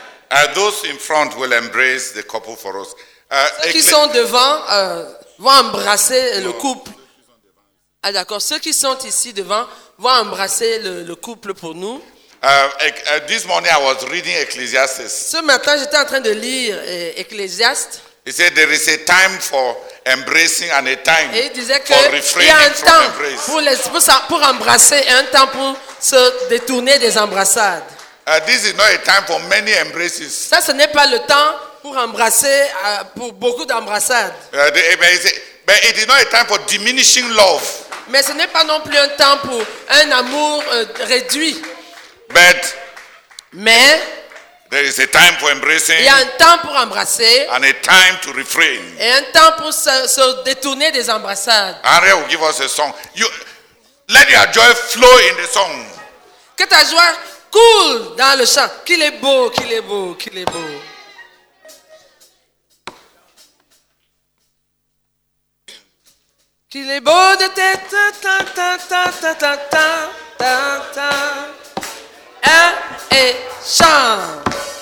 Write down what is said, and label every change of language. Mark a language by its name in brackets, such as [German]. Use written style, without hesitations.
[English] And those in front will embrace the couple for us. [French] Ceux qui sont devant vont embrasser le couple. Ah d'accord, ceux qui sont ici devant vont embrasser le couple pour nous. [English] This morning I was reading Ecclesiastes. [French] Ce matin, j'étais en train de lire Ecclésiaste. [English] He said there is a time for embracing and a time for refraining from embrace. [French] Et il disait qu'il y a un temps pour embrasser et un temps pour se détourner des embrassades. [English] This is not a time for many embraces. [French] Ça, ce n'est pas le temps pour embrasser pour beaucoup d'embrassades. [English] But it is not a time for diminishing love. [French] Mais ce n'est pas non plus un temps pour un amour réduit. [English] Mais there is a time for embracing. [French] Il y a un temps pour embrasser. [English] And a time to refrain. [French] Et un temps pour se détourner des embrassades. [English] Henri will give us a song. You let your joy flow in the song. [French] Que ta joie coule dans le chant. Qu'il est beau, qu'il est beau, qu'il est beau. Qu'il est beau de tête, ta ta ta ta ta ta ta ta. Hein? Et chante.